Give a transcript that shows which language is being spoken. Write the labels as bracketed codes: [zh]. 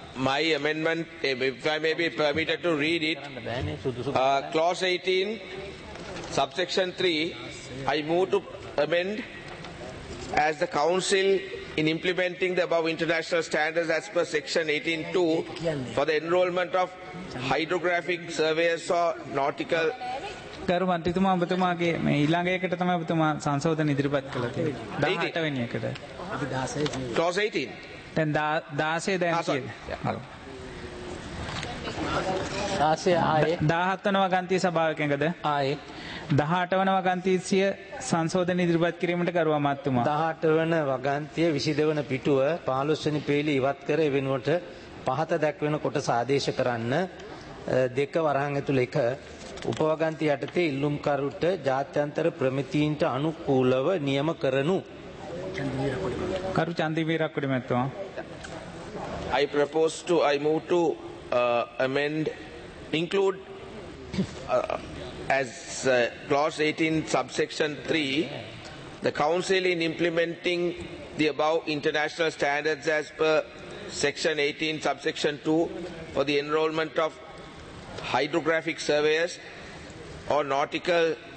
[en] My amendment, if I may be permitted to read it, clause 18, subsection 3, I move to amend as the council in implementing the above international standards as per section 18.2 for the enrollment of hydrographic surveyors or nautical... [si] ගරු මන්ත්‍රීතුමා, ඔබතුමාගේ මේ ඊළඟ එකට තමයි ඔබතුමා සංශෝධන ඉදිරිපත් කළේ 18 වෙනි එකට. අපි 16 කියන්නේ. [en] Clause 18. [si] දැන් 16 දැන් කියන්නේ. [en] 16 ආයේ [si] 17 වන වගන්තිය සභාවකෙන්ගද? [en] ආයේ [si] 18 වන වගන්තිය සංශෝධන ඉදිරිපත් කිරීමට ගරු අමාත්‍යතුමා. 18 වන වගන්තිය 22 වන පිටුව 15 වෙනි පේළි ඉවත් කරේ වෙනුවට පහත දක්වන කොටස ආදේශ කරන්න. 2 වරහන් ඇතුළ 1 උපවගන්ති යටතේ ඉල්ලුම් කරුට ජාත්‍යන්තර ප්‍රමිතීන්ට අනුකූලව නියම කරනු. කරු චන්දිවීරක්කුඩි මැතුම. [en] I propose to, I move to amend, include as clause 18 subsection 3, the council in implementing the above international standards as per section 18 subsection 2 for the enrollment of hydrographic surveyors or nautical